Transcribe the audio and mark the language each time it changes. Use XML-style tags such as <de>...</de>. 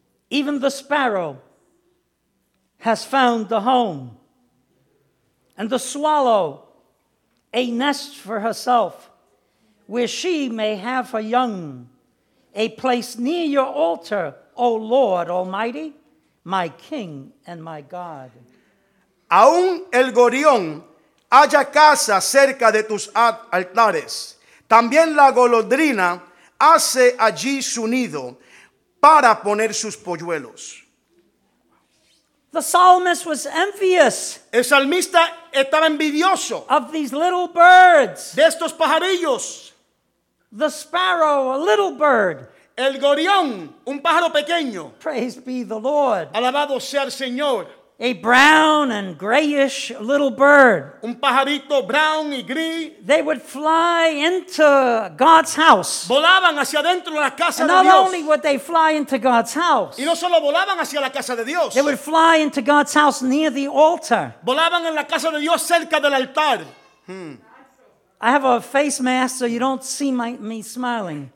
<en>Even the sparrow has found the home, and the swallow a nest for herself, where she may have her young, a place near your altar, O Lord Almighty, my King and my God.</en> <es>Aún el gorrión haya casa cerca de tus altares. También la golondrina hace allí su nido para poner sus polluelos.</es> <en>The psalmist was envious.</en> <es>El salmista estaba envidioso.</es> <en>Of these little birds.</en> <es>De estos pajarillos.</es> <en>The sparrow, a little bird.</en> <es>El gorrión, un pájaro pequeño.</es> <en>Praise be the Lord.</en> <es>Alabado sea el Señor.</es> <en>A brown and grayish little bird.</en> <es>Un pajarito</es> <en>brown</en> <es>y gris.</es> <en>They would fly into God's house.</en> <es>Volaban hacia dentro la casa</es> <en>and</en> <es>de</es> <en>not</en> <es>Dios.</es> <en>Only would they fly into God's house.</en> <es>Y no solo volaban hacia la casa de Dios.</es> <en>They would fly into God's house near the altar.</en> <es>Volaban en la casa de Dios cerca del altar.</es> <en>I have a face mask, so you don't see me smiling.</en>